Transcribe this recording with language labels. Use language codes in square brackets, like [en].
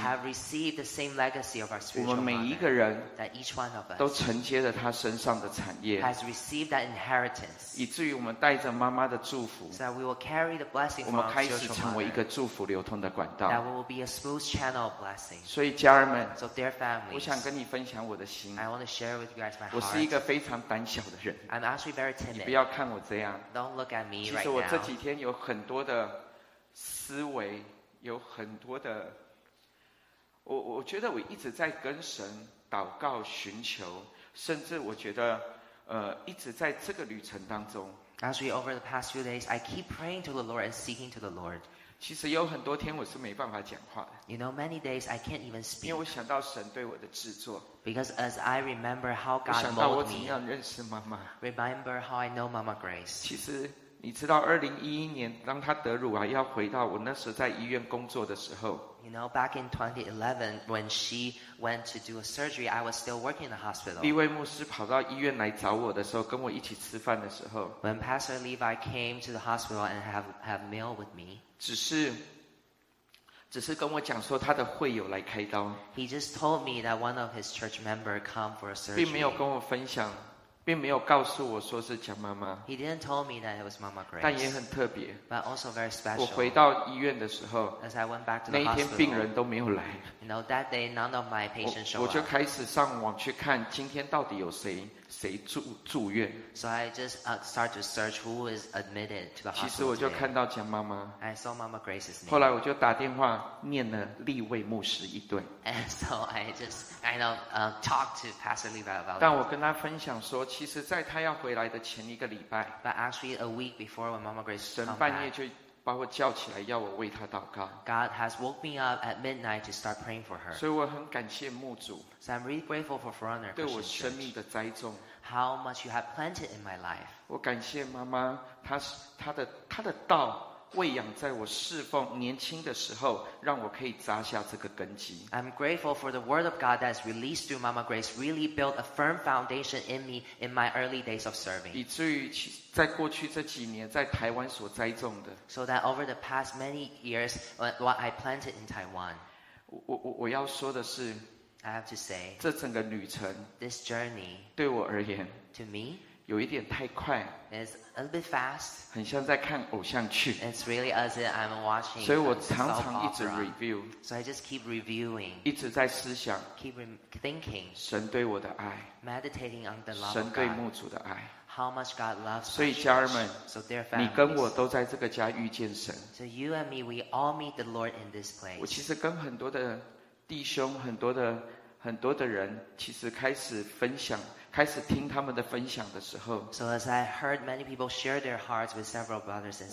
[en] have received the same legacy of our spiritual mother, [zh] 我们每一个人， [en] that each one of us, [zh] 都承接了他身上的产业， [en] has received that inheritance, [zh] 以至于我们带着妈妈的祝福， [en] so that we will carry the blessing from our spiritual mother, [zh] 我们开始成为一个祝福流通的管道， [en] that we will be a smooth channel of blessing, [zh] 所以家人们， [en] so dear families, [zh] 我想跟你分享我的心， [en] I want to share with you guys my heart, [zh] 我是一个非常胆小的人， [en] I'm actually very timid. [zh] 你不要看我这样。 [en] Don't look at me right now. [zh] 其实我这几天有很多的思维，有很多的，我觉得我一直在跟神祷告寻求，甚至我觉得一直在这个旅程当中。 [en] Actually, over the past few days, I keep praying to the Lord and seeking to the Lord. [zh] 其实有很多天我是没办法讲话的。 [en] You know, many days I can't even speak. [zh] 因为我想到神对我的制作。 [en] Because as I remember how God molded me, [zh] 我想到我怎样认识妈妈。 [en] Remember how I know Mama Grace. [zh] 其实你知道，2011年当她得乳癌要回到我那时在医院工作的时候。 [en] You know, back in 2011, when she went to do a surgery, I was still working in the hospital. [zh] 立威牧师跑到医院来找我的时候，跟我一起吃饭的时候。 [en] When Pastor Levi came to the hospital and have meal with me. [zh] 只是跟我讲说他的会友来开刀。 [en] He just told me that one of his church members come for a surgery. [zh] 并没有跟我分享，并没有告诉我说是蒋妈妈。 [en] He didn't tell me that it was Mama Grace. [zh] 但也很特别。 [en] But also very special. [zh] 我回到医院的时候， [en] as I went back to the [zh] hospital, 那一天病人都没有来。 [en] You know, that day none of my patients showed up. [zh] 我就开始上网去看今天到底有谁 住院。 [en] So I just start to search who is admitted to the hospital. [zh] 其实我就看到蒋妈妈。 [en] I saw Mama Grace's name. [zh] 后来我就打电话念了立卫牧师一顿。 [en] And so I just kind of talked to Pastor Levi about it. [zh] 但我跟他分享说，其实在他要回来的前一个礼拜。 [en] But actually a week before when Mama Grace came back. [zh] 神半夜就把我叫起来，要我为他祷告。 [en] God has woke me up at midnight to start praying for her. [zh] 所以我很感谢牧主。 [en] So I'm really grateful for Forerunner. [zh] 对我生命的栽种。 [en] How much you have planted in my life. [zh] 我感谢妈妈，她的道喂养在我侍奉年轻的时候，让我可以扎下这个根基。 [en] I'm grateful for the word of God that's released through Mama Grace really built a firm foundation in me in my early days of serving. [zh] 以至于在过去这几年在台湾所栽种的。 [en] So that over the past many years, what I planted in Taiwan. [zh] 我要说的是， [en] I have to say, [zh] 这整个旅程， [en] this journey, [zh] 对我而言， [en] to me, [zh] 有一点太快， [en] It's a little bit fast. [zh] 很像在看偶像剧。 [en] It's really as if I'm watching. [zh] 所以我常常一直 review. [en] So I just keep reviewing. [zh] 一直在思想。 [en] Keep thinking. [zh] 神对我的爱。 [en] Meditating on the love of God. [zh] 神对牧主的爱。 [en] How much God loves. [zh] 所以家人们， [en] so dear families, [zh] 你跟我都在这个家遇见神。 [en] So you and me, we all meet the Lord in this place. [zh] 我其实跟很多的弟兄，很多的人，其实开始分享。开始听他们的分享的时候， [en] so as I heard many people share their hearts with several brothers and sisters,